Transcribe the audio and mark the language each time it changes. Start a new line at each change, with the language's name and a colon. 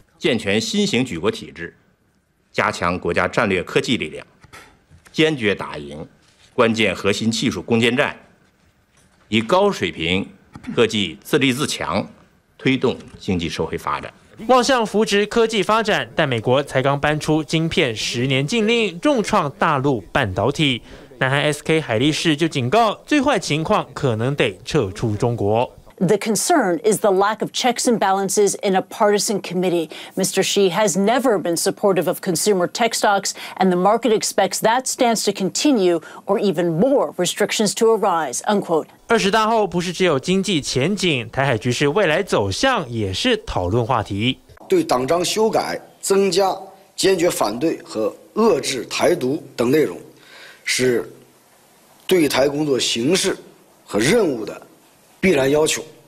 Chinese: 健全新型举国体制，加强国家战略科技力量，坚决打赢关键核心技术攻坚战，以高水平科技自立自强，推动经济社会发展。望向扶植科技发展，但美国才刚搬出晶片10年禁令，重创大陆半导体。南韩 SK 海力士就警告，最坏情况可能得撤出中国。
English: The concern is the lack of checks and balances in a partisan committee. Mr. Xi has never been supportive of consumer tech stocks, and the market expects that stance to continue or even more restrictions to arise. Unquote.
Chinese: 二十大后不是只有经济前景，台海局势未来走向也是讨论话题。对党章修改增加坚决反对和遏制台独等内容，是对台工作形势和任务的必然要求。